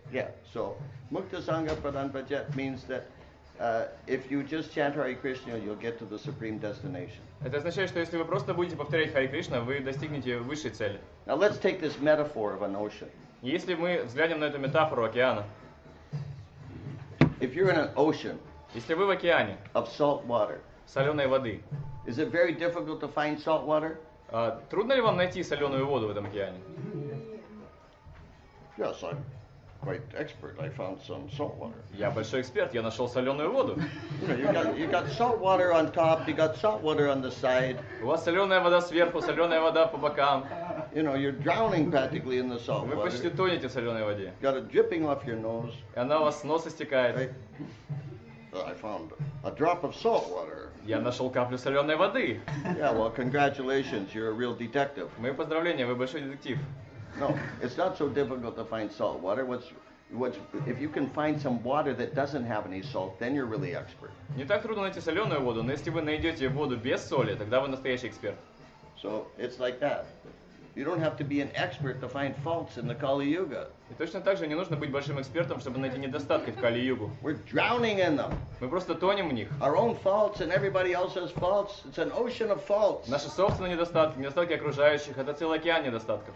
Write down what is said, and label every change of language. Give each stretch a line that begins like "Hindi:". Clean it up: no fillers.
English: Yeah, so
Sanskrit: Mukta Sangha Paran Vrajet
English: means that if you just chant Hare Krishna, you'll get to the supreme destination.
Russian: Это означает, что если вы просто будете повторять Харе Кришна, вы достигнете высшей цели.
English: Now let's take this metaphor of an ocean.
Russian: Если мы взглянем на эту метафору океана.
English: If you're in an ocean,
Russian: если вы в океане,
English: of salt water,
Russian: соленой воды,
English: is it very difficult to find salt water?
Russian: Трудно ли вам найти соленую воду в этом океане?
English: Yes, I'm quite expert. I found some salt water.
Russian: Я большой эксперт. Я нашел соленую воду.
English: You got salt water on top. You got salt water on the side.
Russian: У вас соленая вода сверху, соленая вода по бокам.
English: You know, you're drowning practically in the salt water.
Russian: Вы почти тонете в соленой воде.
English: Got it dripping off your nose.
Russian: И она у вас с носа стекает.
English: I found a drop of salt water.
Russian: Я нашел каплю соленой воды.
English: Yeah, well, congratulations, you're a real detective.
Russian: Мои поздравления, вы большой детектив.
English: No, it's not so difficult to find salt water. If you can find some water that doesn't have any salt, then you're really expert.
Russian: Не так трудно найти соленую воду, но если вы найдете воду без соли, тогда вы настоящий эксперт.
English: So it's like that. You don't have to be an expert to find faults in the Kali Yuga.
Russian: И точно так же не нужно быть большим экспертом, чтобы найти недостатки в Кали-Югу.
English: We're drowning in them.
Russian: Мы просто тонем в них.
English: Our own faults and everybody else's faults. It's an ocean of faults.
Russian: Наши собственные недостатки, недостатки окружающих, это целый океан недостатков.